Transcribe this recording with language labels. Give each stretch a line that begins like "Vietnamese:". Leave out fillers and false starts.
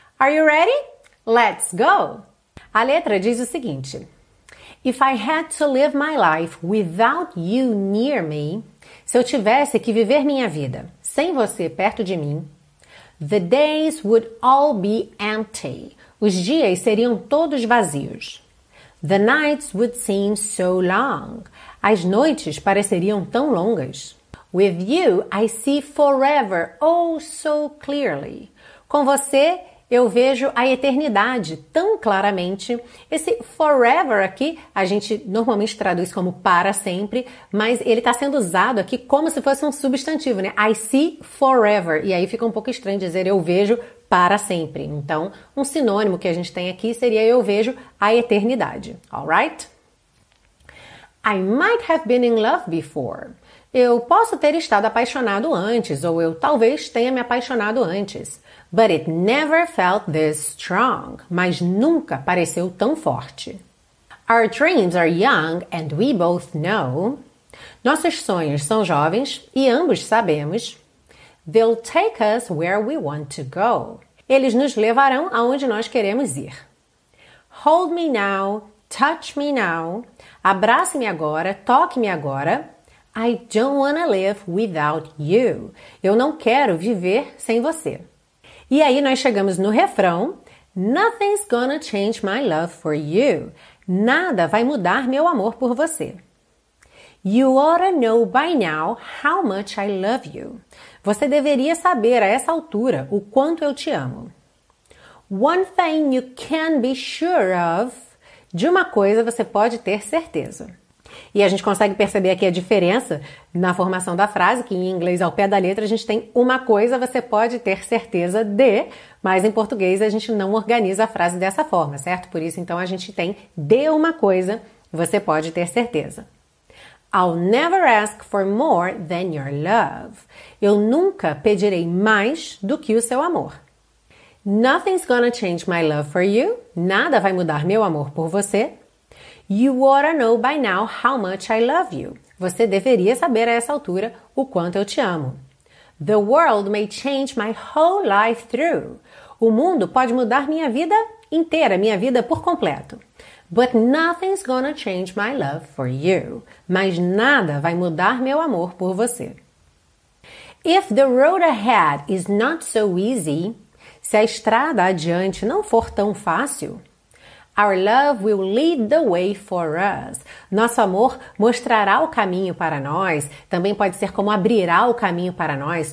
English: Are you ready? Let's go!
Portuguese: A letra diz o seguinte:
English: If I had to live my life without you near me,
Portuguese: se eu tivesse que viver minha vida sem você perto de mim,
English: the days would all be empty.
Portuguese: Os dias seriam todos vazios.
English: The nights would seem so long.
Portuguese: As noites pareceriam tão longas.
English: With you, I see forever, oh so clearly.
Portuguese: Com você, eu vejo a eternidade tão claramente. Esse forever aqui, a gente normalmente traduz como para sempre, mas ele está sendo usado aqui como se fosse um substantivo, né?
English: I see forever.
Portuguese: E aí fica um pouco estranho dizer eu vejo para sempre. Então, um sinônimo que a gente tem aqui seria eu vejo a eternidade.
English: Alright? I might have been in love before.
Portuguese: Eu posso ter estado apaixonado antes, ou eu talvez tenha me apaixonado antes.
English: But it never felt this strong.
Portuguese: Mas nunca pareceu tão forte.
English: Our dreams are young and we both know.
Portuguese: Nossos sonhos são jovens e ambos sabemos.
English: They'll take us where we want to go.
Portuguese: Eles nos levarão aonde nós queremos ir.
English: Hold me now, touch me now.
Portuguese: Abrace-me agora, toque-me agora.
English: I don't wanna live without you.
Portuguese: Eu não quero viver sem você. E aí nós chegamos no refrão.
English: Nothing's gonna change my love for you.
Portuguese: Nada vai mudar meu amor por você.
English: You oughta know by now how much I love you.
Portuguese: Você deveria saber a essa altura o quanto eu te amo.
English: One thing you can be sure of.
Portuguese: De uma coisa você pode ter certeza. E a gente consegue perceber aqui a diferença na formação da frase, que em inglês, ao pé da letra, a gente tem uma coisa, você pode ter certeza de, mas em português a gente não organiza a frase dessa forma, certo? Por isso, então, a gente tem de uma coisa, você pode ter certeza.
English: I'll never ask for more than your love.
Portuguese: Eu nunca pedirei mais do que o seu amor.
English: Nothing's gonna change my love for you.
Portuguese: Nada vai mudar meu amor por você.
English: You oughta know by now how much I love you.
Portuguese: Você deveria saber a essa altura o quanto eu te amo.
English: The world may change my whole life through.
Portuguese: O mundo pode mudar minha vida inteira, minha vida por completo.
English: But nothing's gonna change my love for you.
Portuguese: Mas nada vai mudar meu amor por você.
English: If the road ahead is not so easy,
Portuguese: Se a estrada adiante não for tão fácil,
English: our love will lead the way for us.
Portuguese: Nosso amor mostrará o caminho para nós. Também pode ser como abrirá o caminho para nós.